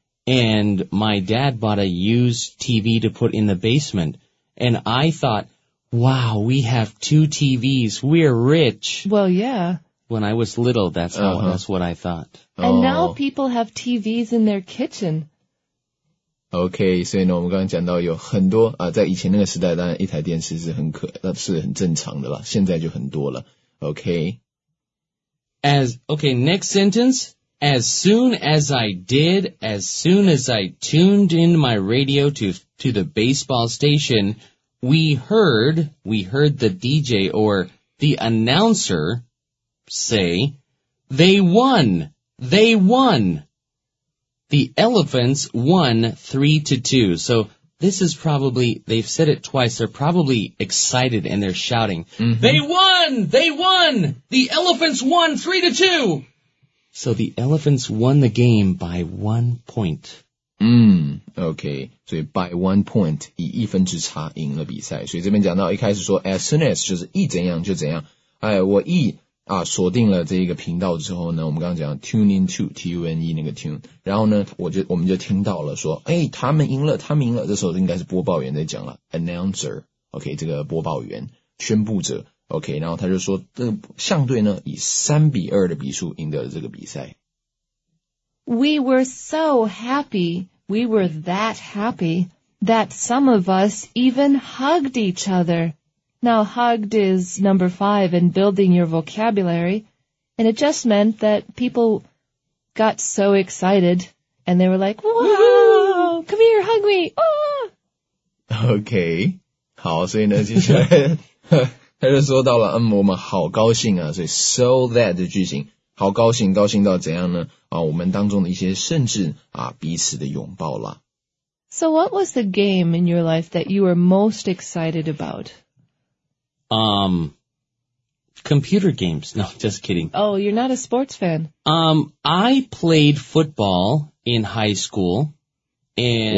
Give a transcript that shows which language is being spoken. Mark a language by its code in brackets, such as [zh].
[zh] And my dad bought a used TV to put in the basement. And I thought, wow, we have two TVs. We're rich. Well, yeah. When I was little, that's how, that's what I thought. And now people have TVs in their kitchen. Okay, 所以呢，我们刚刚讲到有很多啊，在以前那个时代，当然一台电视是很可，是很正常的啦。现在就很多了。Okay. [en] Next sentence. As soon as I did, as soon as I tuned in my radio to the baseball station, we heard the DJ or the announcer say, "They won! They won!" The Elephants won 3-2. So this is probably, they've said it twice. They're probably excited and they're shouting, They won! They won! The Elephants won 3-2! So the Elephants won the game by 1 point. Okay. So by 1 point, [zh] 以一分之差赢了比赛。所以这边讲到一开始说 [en] as soon as, [zh] 就是一怎样就怎样。哎，我一啊，锁定了这一个频道之后呢，我们刚刚讲 [en] tune in to T-U-N-E [zh] 那个 tune， 然后呢，我们就听到了说，哎，他们赢了，他们赢了。这时候应该是播报员在讲了 ，announcer，OK，、okay, 这个播报员宣布者 ，OK， 然后他就说，这个象队呢以3-2的比数赢得了这个比赛。 [en] We were so happy, we were that happy that some of us even hugged each other. Now, hugged is number 5 in building your vocabulary, and it just meant that people got so excited, and they were like, wow, come here, hug me, ah! [zh] Okay, 好，所以呢，接下来他就说到了，我们好高兴啊，所以 [en] so that [zh] 的句型，好高兴，高兴到怎样呢？我们当中的一些甚至彼此的拥抱啦。 [en] So what was the game in your life that you were most excited about? Computer games. No, just kidding. Oh, you're not a sports fan. I played football in high school. And